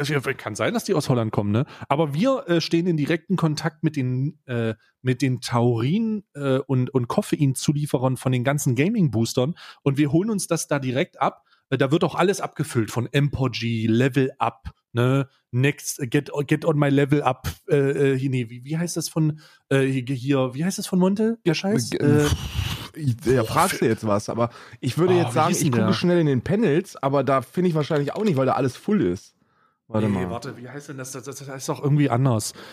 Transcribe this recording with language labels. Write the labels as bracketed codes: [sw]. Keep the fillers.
[de] Äh, Kann sein, dass die aus Holland kommen, ne? Aber wir äh, stehen in direkten Kontakt mit den äh, mit den Taurin äh, und und Koffeinzulieferern von den ganzen Gaming Boostern und wir holen uns das da direkt ab. Äh, Da wird auch alles abgefüllt von Empogy, Level Up, ne? [en] Next, get, get on my level up. [de] Äh, äh, hier, nee, wie, wie heißt das von äh, hier, wie heißt das von Monte? Der Scheiß? Ge- Äh, Ich- Ja, fragst du jetzt was, aber ich würde Oh, jetzt wie sagen, hieß ich denn der? gucke schnell in den Panels, aber da finde ich wahrscheinlich auch nicht, weil da alles full ist. Warte nee, mal. warte, wie heißt denn das? Das, das das heißt doch irgendwie anders.